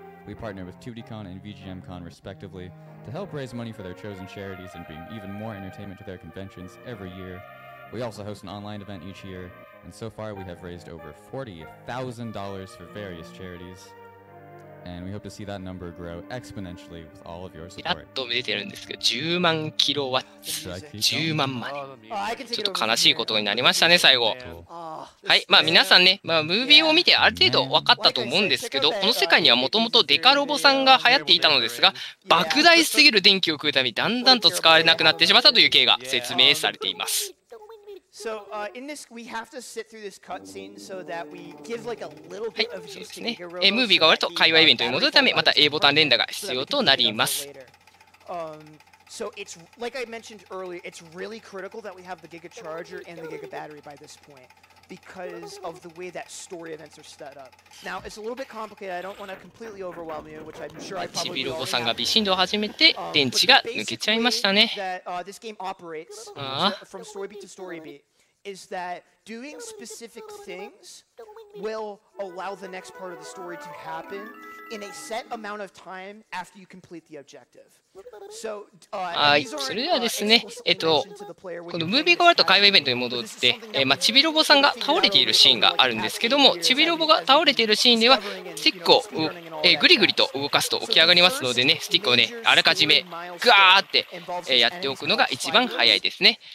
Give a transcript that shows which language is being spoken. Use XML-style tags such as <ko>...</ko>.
<en>We partner with 2DCon and VGMCon respectively to help raise money for their chosen charities and bring even more entertainment to their conventions every year. We also host an online event each year, and so far we have raised over $40,000 for various charities. And we hope to see that number grow exponentially with all of your support.</en> <ja>やっと見えてるんですけど、10万キロワッツ、10万まで。ちょっと悲しいことになりましたね、最後。はい、まあ皆さんね、まあムービーを見てある程度分かったと思うんですけど、この世界にはもともとデカロボさんが流行っていたのですが、莫大すぎる電気を食うためにだんだんと使われなくなってしまったという経が説明されています。</ja> <en>So, in this, we have to sit through this cutscene so that we give like a little bit of juice to the</en> <ja>はい、そうですね。ムービーが終わると会話イベントに戻るため、また A ボタン連打が必要となります。</ja> <en>So it's like I mentioned earlier, it's really critical that we have the Giga Charger and the Giga Battery by this point. Because of the way that story events are set up. Now it's a little bit complicated. I don't want to completely overwhelm you, which I'm sure I probably will.</en> <ja>Chibi-Robo さんが微振動を始めて電池が抜けちゃいましたね。</ja> <en>This game operates from story beat to story beat. Is that doing specific things will allow the next part of the story to happen in a set amount of time after you complete the objective.</en> <ja>はい、それではですね、このムービーが終わると会話イベントに戻って、チビロボさんが倒れているシーンがあるんですけども、チビロボが倒れているシーンでは、スティックを、ぐりぐりと動かすと起き上がりますのでね、スティックをね、あらかじめ、ぐわーって、やっておくのが一番早いですね。</ja>